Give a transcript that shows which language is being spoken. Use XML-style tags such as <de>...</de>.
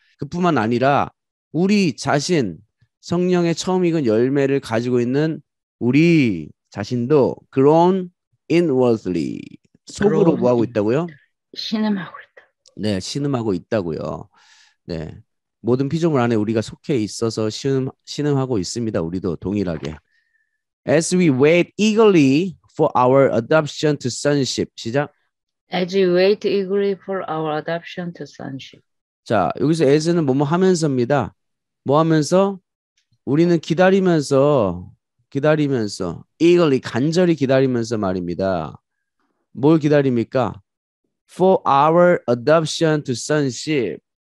<ko>그뿐만 아니라 우리 자신 성령의 처음 익은 열매를 가지고 있는 우리 자신도</ko> <en>grown inwardly</en> <ko>속으로 뭐하고 있다고요? 신음하고 있다. 네, 신음하고 있다고요. 네, 모든 피조물 안에 우리가 속해 있어서 신음하고 있습니다. 우리도 동일하게.</ko> <en>As we wait eagerly for our adoption to sonship.</en> <ko>시작.</ko> <en>As we wait eagerly for our adoption to sonship.</en> <ko>자, 여기서 as는 뭐뭐 하면서입니다. 뭐 하면서? 우리는 기다리면서 eagerly 간절히 기다리면서 말입니다. 뭘 기다립니까?</ko> <en>For our adoption to sonship.</en>